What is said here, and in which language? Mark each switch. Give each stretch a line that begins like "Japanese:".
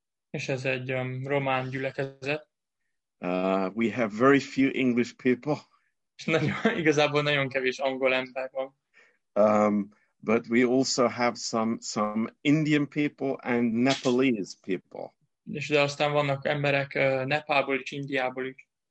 Hungarian: És ez egy román gyülekezet.
English: We have very few English people.
Hungarian: Igazából nagyon kevés angol ember van.
English: But we also have some Indian people and Nepalese people.
Hungarian: És de aztán vannak emberek Nepálból is, Indiából is.